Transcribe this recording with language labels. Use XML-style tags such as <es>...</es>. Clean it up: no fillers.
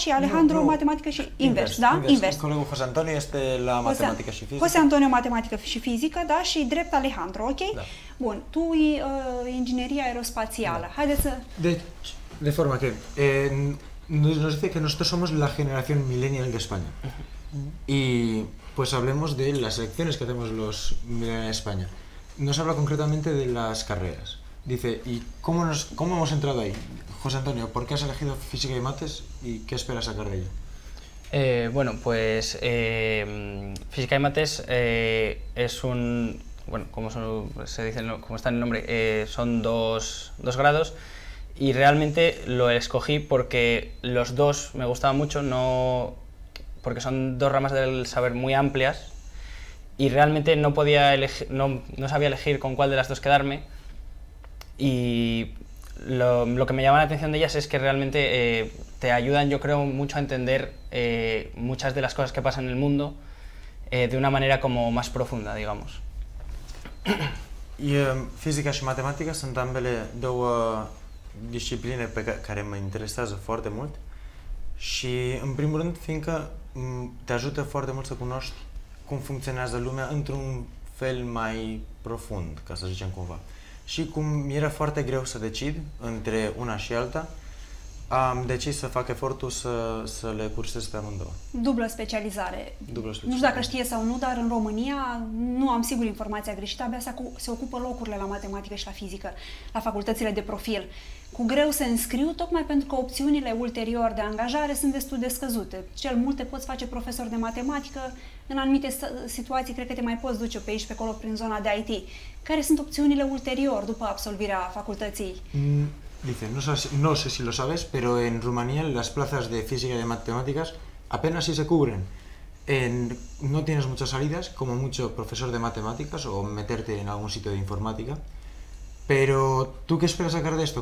<ro>Și Alejandro, matematică și invers, da? Invers. Colegul José Antonio este la matematică și fizică. José Antonio, matematică și fizică, da? Și drept Alejandro, ok? Da. Bun, tu e ingineria aerospațială. Da. Haideți să... Deci, de forma că...</ro> <es>Nos dice que nosotros somos la generación millennial de España. Y pues hablemos de las elecciones que hacemos los millennials de España. Nos habla concretamente de las carreras. Dice, ¿y cómo hemos entrado ahí? José Antonio, ¿por qué has elegido física y mates y qué esperas sacar de ello? Bueno, pues física y mates es un... Bueno, como está en el nombre, son dos grados. Y realmente lo escogí porque los dos me gustaban mucho, no porque son dos ramas del saber muy amplias y realmente no podía elegir, no sabía elegir con cuál de las dos quedarme y lo que me llama la atención de ellas es que realmente te ayudan, yo creo, mucho a entender muchas de las cosas que pasan en el mundo de una manera como más profunda, digamos. Y física y matemáticas son ambas dos</es> <ro>discipline pe care mă interesează foarte mult și, în primul rând, fiindcă te ajută foarte mult să cunoști cum funcționează lumea într-un fel mai profund, ca să zicem cumva. Și cum mi era foarte greu să decid între una și alta, am decis să fac efortul să le cursez pe amândouă. Dublă specializare. Nu știu dacă știe sau nu, dar în România, nu am sigur informația greșită, abia se ocupă locurile la matematică și la fizică, la facultățile de profil. Cu greu se înscriu, tocmai pentru că opțiunile ulterior de angajare sunt destul de scăzute. Cel mult te poți face profesor de matematică, în anumite situații cred că te mai poți duce pe aici, pe acolo, prin zona de IT. Care sunt opțiunile ulterior, după absolvirea facultății?</ro> <es>Dice, no sé si lo sabes, pero en Rumanía las plazas de física y de matemáticas apenas si se cubren. No tienes muchas salidas, como mucho profesor de matemáticas o meterte en algún sitio de informática. Pero, ¿tú qué esperas sacar de esto?</es>